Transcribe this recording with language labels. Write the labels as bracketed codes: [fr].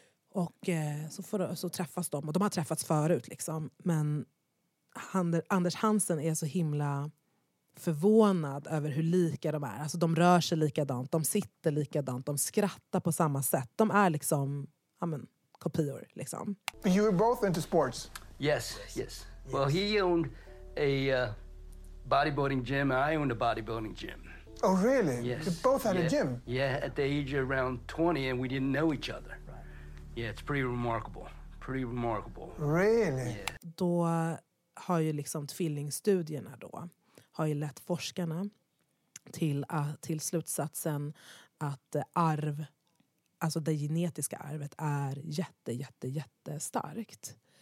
[sv] Och så träffas de. Och de har träffats förut liksom. Men Anders Hansen är så himla förvånad över hur lika de är. Alltså de rör sig likadant. De sitter likadant. De skrattar på samma sätt. De är liksom, ja men, kopior liksom. [en] You were both into sports. Yes, yes. Well, he owned a bodybuilding gym. I owned a bodybuilding gym. Oh, really? Yes. You both had a gym? Yeah, at the age of around 20 and we didn't know each other. Yeah, it's pretty remarkable. Pretty remarkable. Really? Yeah. [sv] Då har ju liksom tvillingstudierna då har ju lett forskarna till slutsatsen att arv, alltså det genetiska arvet är jättestarkt.